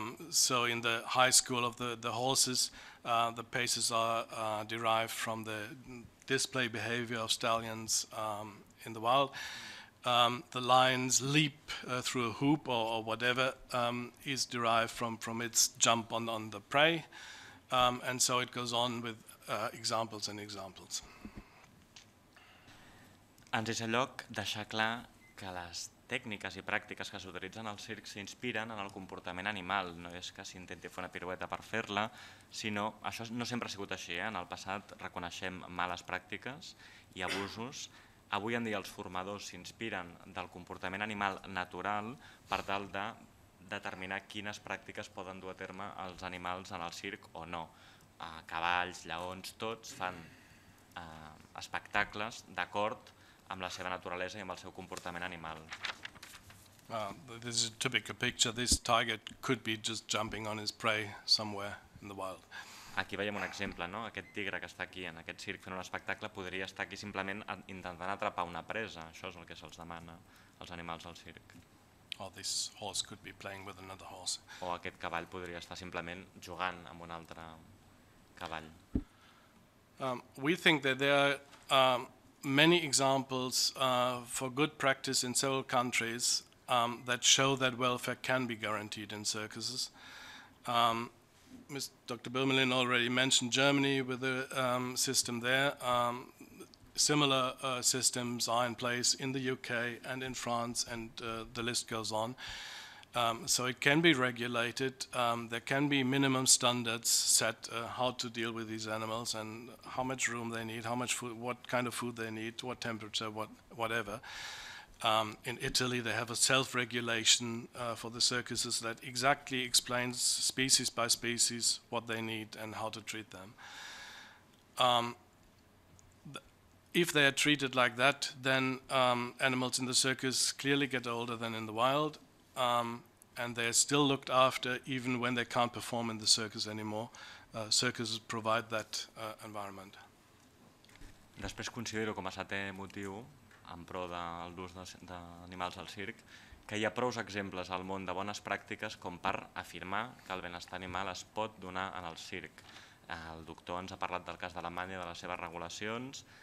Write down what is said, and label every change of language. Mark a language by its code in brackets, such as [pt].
[en] So in the high school of the horses, the paces are derived from the display behavior of stallions in the wild. The lion's leap through a hoop or whatever is derived from its jump on the prey. And so it goes on with examples and examples. [ca] Ens és el lloc deixar clar que les tècniques i pràctiques que s'utilitzen al circ s'inspiren en el comportament animal. No és que s'intenti fer una pirueta per fer-la, sinó això no sempre ha sigut així. En el passat reconeixem males pràctiques i abusos. Avui en dia els formadors s'inspiren del comportament animal natural per tal de determinar quines pràctiques poden dur a terme els animals en el circ o no. Cavalls, lleons, tots fan espectacles d'acord amb la seva naturalesa i amb el seu comportament animal. [en] This is a typical picture. This tiger could be just jumping on his prey somewhere in the wild. [ca] Aquí veiem un exemple, no? Aquest tigre que està aquí en aquest circ fent un espectacle podria estar aquí simplement intentant atrapar una presa. Això és el que se'ls demana als animals al circ. [en] Or this horse could be playing with another horse. [ca] O aquest cavall podria estar simplement jugant amb un altre cavall. [en] We think that there are many examples for good practice in several countries that show that welfare can be guaranteed in circuses. Dr. Birmelin already mentioned Germany with the system there. Similar systems are in place in the UK and in France, and the list goes on. So it can be regulated. There can be minimum standards set how to deal with these animals and how much room they need, how much food, what kind of food they need, what temperature, whatever. In Italy, they have a self-regulation for the circuses that exactly explains species by species what they need and how to treat them. If they are treated like that, then animals in the circus clearly get older than in the wild. And they're still looked after even when they can't perform in the circus anymore. Circuses provide that environment. [ca] Després considero com a setè motiu, en pro de l'ús d'animals al circ, que hi ha prous exemples al món de bones pràctiques com per afirmar que el benestar animal es pot donar en el circ. El doctor ens ha parlat del cas d'Alemanya, de les seves regulacions.